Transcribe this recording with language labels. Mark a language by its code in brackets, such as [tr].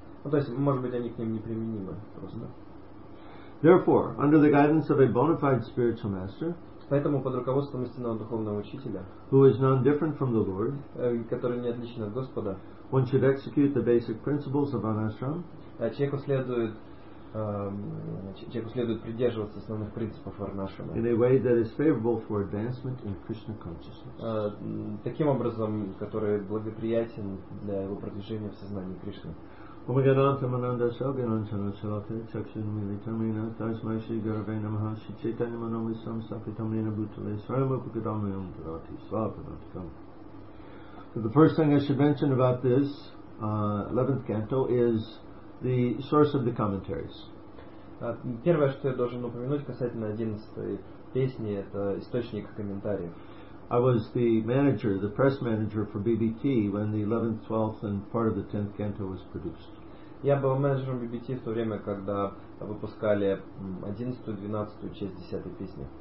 [ru] Ну, то есть, может быть, они к ним неприменимы просто. [en] Therefore, under the guidance of a bona fide spiritual master, [ru] поэтому под руководством истинного духовного учителя, [en] who is none different from the Lord, [ru] который не отличен от Господа, [en] one should execute the basic principles of anashram. [ru] Человеку следует придерживаться основных принципов варнашрама. [en] In a way that is favorable for advancement in Krishna consciousness. [ru] Таким образом, который благоприятен для его продвижения в сознании Кришны. [sa] Om Gananta Mananda Sauganan Chanasalate Chakshin Militamina Tasma Shri Garve Namaha Shri Chaitanya Manomisam Sapitamina Bhutale Swayama Pukadamayam Dharati Svapanatikam. [en] The first thing I should mention about this 11th canto is the source of the commentaries. [ru] Первое, что я должен упомянуть касательно 11th песни, это источник комментариев. [en] I was the manager, the press manager for BBT when the 11th, 12th and part of the 10th canto was produced. [ru] Я был менеджером BBT в то время, когда выпускали 11th, 12th часть 10th песни.